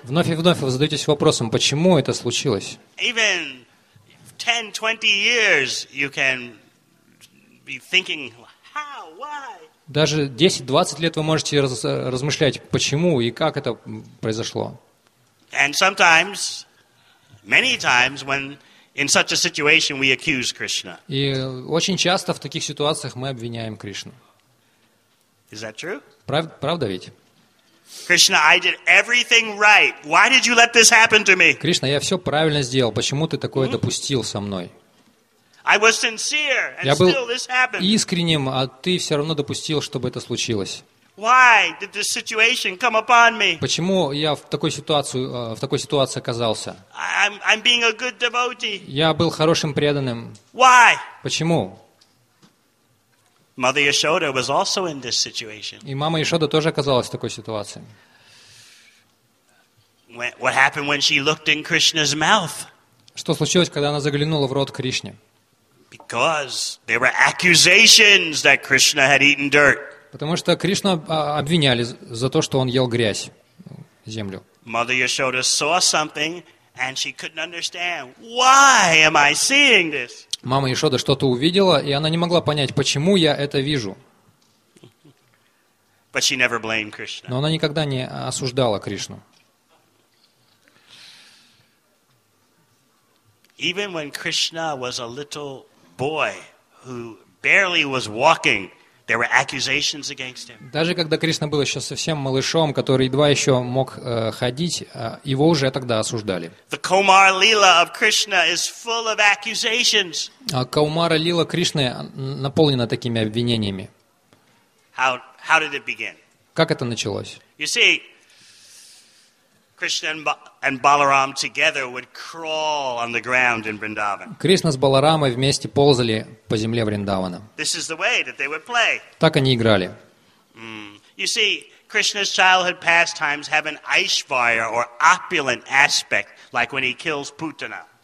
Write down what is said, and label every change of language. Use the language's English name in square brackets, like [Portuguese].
[Russian] Вновь и вновь вы задаетесь вопросом, почему это случилось? [English] Even 10-20 years you can be thinking, how, why? [Russian] Даже 10-20 лет вы можете размышлять, почему и как это произошло. [English] And sometimes, many times, when in such a situation we accuse Krishna. [Russian] И очень часто в таких ситуациях мы обвиняем Кришну. [English] Is that true? [Russian] Правда ведь? [English] Krishna, I did everything right. Why did you let this happen to me? [Russian] Кришна, я все правильно сделал. Почему ты такое допустил со мной? [English] I was sincere, and [Russian] я был [English] still this happened. [Russian] Искренним, а ты все равно допустил, чтобы это случилось. [English] Why did this situation come upon me? [Russian] Почему я в такой ситуации оказался? [English] I'm being a good devotee. [Russian] Я был хорошим преданным. [English] Why? [Russian] Почему? [English] Mother Yashoda was also in this situation. [Russian] И мама Яшода тоже оказалась в такой ситуации. [English] What happened when she looked in Krishna's mouth? [Russian] Что случилось, когда она заглянула в рот Кришне? [English] Because there were accusations that Krishna had eaten dirt. [Russian] Потому что Кришну обвиняли за то, что он ел грязь, землю. [English] Mother Yashoda saw something and she couldn't understand. Why am I seeing this? [Russian] Мама Яшода что-то увидела, и она не могла понять, почему я это вижу. [English] But she never blamed Krishna. [Russian] Но она никогда не осуждала Кришну. [English] Even when Krishna was a little boy who barely was walking, there were accusations against him. [Russian] Даже когда Кришна был еще совсем малышом, который едва еще мог ходить, его уже тогда осуждали. [English] The Kaumara Lila of Krishna is full of accusations. [Russian] Каумара Лила Кришны наполнена такими обвинениями. [English] How did it begin? [Russian] Как это началось? [English] You see, Krishna and Balaram together would crawl on the ground in Vrindavan. [Russian] Кришна с Баларамой вместе ползали по земле Вриндавана. [English] This is the way that they would play. [Russian] Так они играли. [English] You see, Krishna's childhood pastimes have an Aishvarya or opulent aspect, like when he kills Putana.